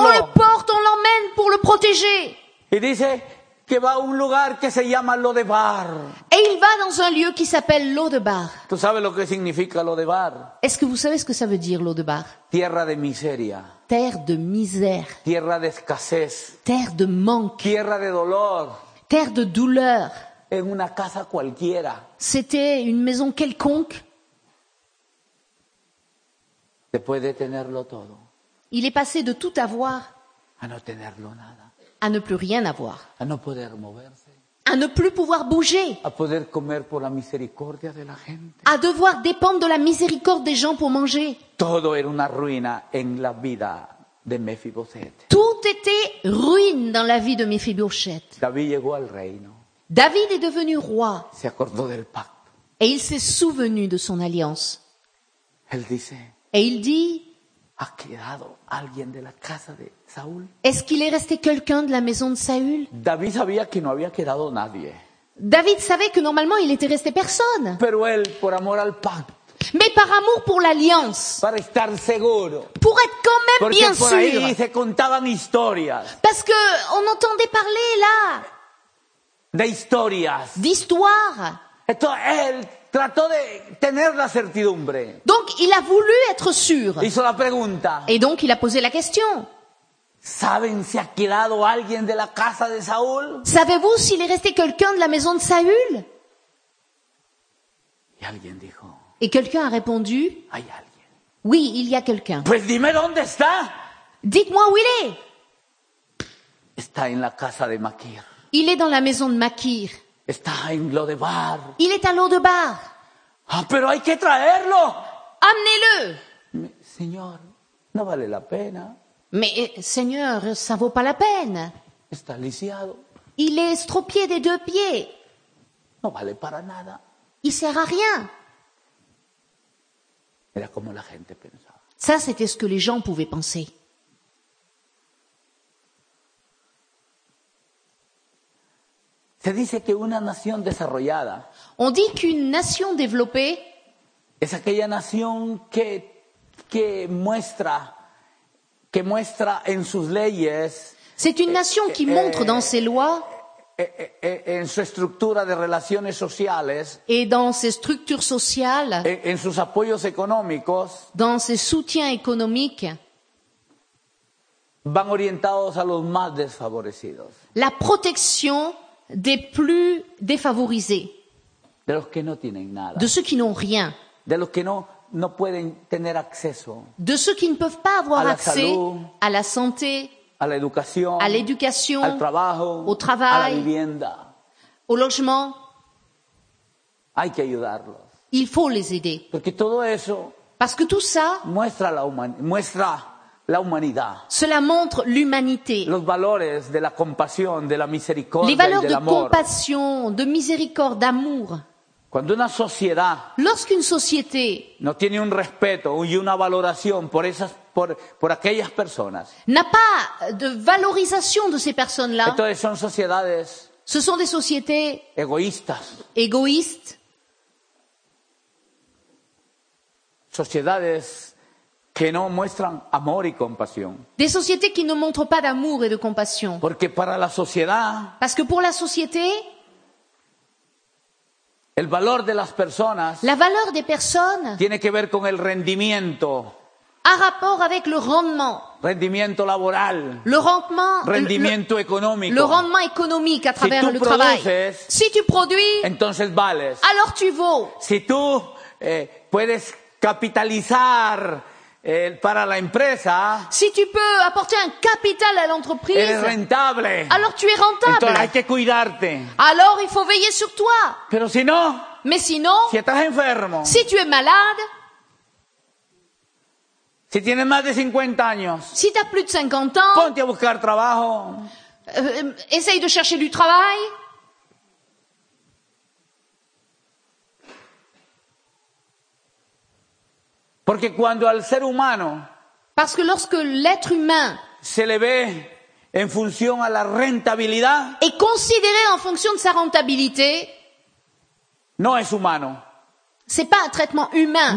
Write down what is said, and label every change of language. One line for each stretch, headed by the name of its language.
French: On le porte, on l'emmène pour le protéger.
Spanish: Y dice que va a un lugar que se llama Lodebar.
French: Et il va dans un lieu qui s'appelle Lodebar.
Spanish: ¿Tú sabes lo que significa Lodebar?
French: Est-ce que vous savez ce que ça veut dire Lodebar?
Spanish: Tierra de miseria.
French: Terre de misère.
Spanish: Tierra de escasez.
French: Terre de manque.
Spanish: Tierra de dolor.
French: Terre de douleur.
Spanish: En una casa cualquiera.
French: C'était une maison quelconque.
Spanish: Después de tenerlo todo.
French: Il est passé de tout avoir
Spanish: a no tenerlo nada.
French: À ne plus rien avoir.
Spanish: A no poder moverse.
French: à ne plus pouvoir bouger, à
Spanish: poder comer por la misericordia de la gente,
French: à devoir dépendre de la miséricorde des gens pour manger.
Spanish: Todo era una ruina en la vida de Mefiboset.
French: Tout était ruine dans la vie de Mephibosheth.
Spanish: David llegó al reino.
French: David est devenu roi.
Spanish: Se acordó del pacto.
French: Et il s'est souvenu de son alliance.
Spanish: Él dice,
French: et il dit,
Spanish: ha quedado alguien de la casa de Saúl?
French: Est-ce qu'il est resté quelqu'un de la maison de Saül?
Spanish: David sabía que no había quedado nadie.
French: David savait que normalement il était resté personne.
Spanish: Pero él, por amor al pacto,
French: mais par amour pour l'alliance,
Spanish: para estar seguro,
French: pour être quand même
Spanish: porque
French: bien
Spanish: por
French: sûr,
Spanish: ahí se contaban historias,
French: parce qu'on entendait parler là
Spanish: de historias,
French: d'histoires.
Spanish: Entonces, él trató de tener la certidumbre.
French: Donc il a voulu être sûr.
Spanish: Hizo la pregunta.
French: Et donc il a posé la question.
Spanish: ¿Saben si ha quedado alguien de la casa de Saúl?
French: Savez-vous s'il est resté quelqu'un de la maison de Saül?
Spanish: Y alguien dijo.
French: Et quelqu'un a répondu.
Spanish: Hay alguien.
French: Oui, il y a quelqu'un.
Spanish: Pues dime dónde está.
French: Dites-moi où il est.
Spanish: Está en la casa de Maquir.
French: Il est dans la maison de Maquir.
Spanish: Está en Lodebar.
French: Il est à Lodebar.
Spanish: Ah, pero hay que traerlo.
French: Amenez-le.
Spanish: Mais, señor, no vale la pena.
French: Mais, Seigneur, ça vaut pas la peine.
Spanish: Está lisiado.
French: Il est estropié des deux pieds.
Spanish: No vale para nada.
French: Il sert à rien.
Spanish: Era como la gente pensaba.
French: Ça, c'était ce que les gens pouvaient penser.
Spanish: Se dice que una nación desarrollada,
French: on dit qu'une nation développée,
Spanish: es aquella nación que muestra en sus leyes,
French: c'est une nation qui montre dans ses lois,
Spanish: en su estructura de relaciones sociales,
French: et dans ses structures sociales,
Spanish: en sus apoyos económicos,
French: dans ses soutiens économiques,
Spanish: van orientados a los más desfavorecidos.
French: La protection des plus défavorisés,
Spanish: de, los que no tienen nada,
French: de ceux qui n'ont rien,
Spanish: de, los que no pueden tener acceso,
French: de ceux qui ne peuvent pas avoir
Spanish: a
French: accès
Spanish: salud,
French: à la santé,
Spanish: a la educación,
French: à l'éducation,
Spanish: al trabajo,
French: au travail,
Spanish: a la vivienda,
French: au logement.
Spanish: Hay que ayudarlos.
French: Il faut les aider.
Spanish: Porque todo eso,
French: parce que tout ça
Spanish: muestra la humanidad.
French: Cela montre l'humanité.
Spanish: Los valores de la compasión, de la misericordia,
French: les valeurs
Spanish: y de
French: l'amour. Compassion, de miséricorde, d'amour.
Spanish: Cuando una sociedad,
French: lorsqu'une société,
Spanish: no tiene un respeto y una valoración por esas, por aquellas personas,
French: n'a pas de valorización de ces personnes-là.
Spanish: Entonces son sociedades,
French: ce sont des sociétés
Spanish: egoístas.
French: Égoïstes.
Spanish: Sociedades que no muestran amor y compasión.
French: Des sociétés qui ne montrent pas d'amour et de compassion.
Spanish: Porque para la sociedad,
French: parce que pour la société,
Spanish: el valor de las personas,
French: la valeur des personnes,
Spanish: tiene que ver con el rendimiento,
French: a rapport avec le rendement,
Spanish: rendimiento laboral,
French: le rendement,
Spanish: rendimiento económico,
French: le rendement économique à travers
Spanish: si
French: le travail. Si tu produis,
Spanish: entonces vales.
French: Alors tu vaux.
Spanish: Si tú puedes capitalizar para la empresa,
French: si tu peux apporter un capital à l'entreprise,
Spanish: eres rentable.
French: Alors tu es rentable.
Spanish: Entonces hay que cuidarte.
French: Alors il faut veiller sur toi.
Spanish: Pero si no,
French: mais sinon,
Spanish: si estás enfermo,
French: si tu es malade,
Spanish: si tienes más de 50 años,
French: si t'as plus de 50 ans,
Spanish: ponte a buscar trabajo.
French: Essaye de chercher du travail.
Spanish: Porque cuando al ser humano,
French: parce que lorsque l'être humain,
Spanish: se le ve en función a la rentabilidad,
French: est considéré en fonction de sa rentabilité,
Spanish: no es humano.
French: C'est pas un traitement humain.